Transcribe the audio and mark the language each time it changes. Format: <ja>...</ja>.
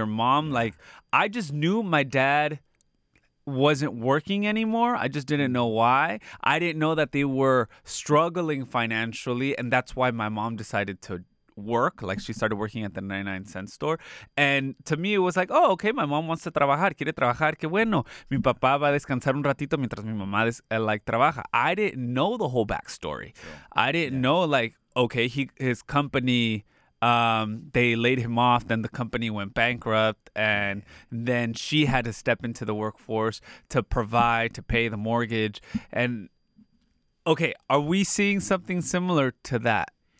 <en>Your mom, like, I just knew my dad wasn't working anymore. I just didn't know why. I didn't know that they were struggling financially, and that's why my mom decided to work. Like, she started working at the 99-cent store. And to me, it was like, oh, okay, my mom wants to</en> <es>trabajar. Quiere trabajar. Qué bueno. Mi papá va a descansar un ratito mientras mi mamá, like, trabaja.</es> <en>I didn't know the whole backstory. I didn't know, like, okay, his company They laid him off. Then the company went bankrupt. And then she had to step into the workforce to provide, to pay the mortgage. And, okay, are we seeing something similar to that?</en>